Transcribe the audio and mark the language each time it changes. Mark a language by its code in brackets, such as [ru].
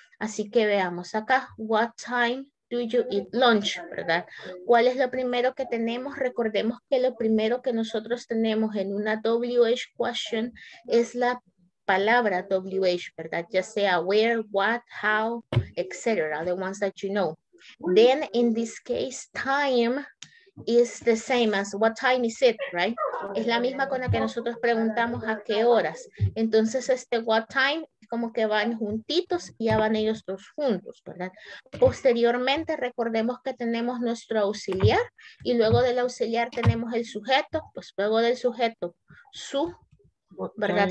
[es] Así que veamos acá, [en] what time do you eat lunch, [es] ¿verdad? ¿Cuál es lo primero que tenemos? Recordemos que lo primero que nosotros tenemos en una WH question es la palabra WH, ¿verdad? Ya sea [en] where, what, how, etc. The ones that you know. Then, in this case, time is the same as what time is it, right? [es] Es la misma con la que nosotros preguntamos a qué horas. Entonces, este what time como que van juntitos y ya van ellos dos juntos, ¿verdad? Posteriormente, recordemos que tenemos nuestro auxiliar y luego del auxiliar tenemos el sujeto, pues luego del sujeto, su, ¿verdad?